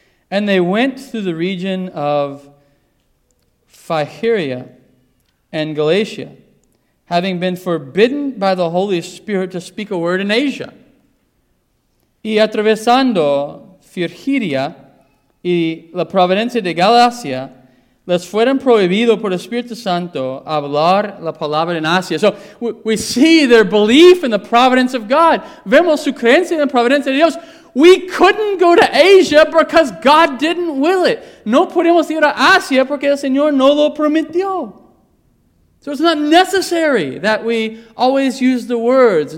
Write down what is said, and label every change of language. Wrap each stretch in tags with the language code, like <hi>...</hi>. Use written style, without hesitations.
<en>And they went through the region of Phrygia and Galatia, having been forbidden by the Holy Spirit to speak a word in Asia.</en> <es>Y atravesando Phrygia y la provincia de Galacia, les fueron prohibidos por el Espíritu Santo hablar la palabra en Asia.</es> <en>So we see their belief in the providence of God.</en> <es>Vemos su creencia en la providencia de Dios.</es> <en>We couldn't go to Asia because God didn't will it.</en> <es>No podemos ir a Asia porque el Señor no lo permitió.</es> <en>So it's not necessary that we always use the words.</en>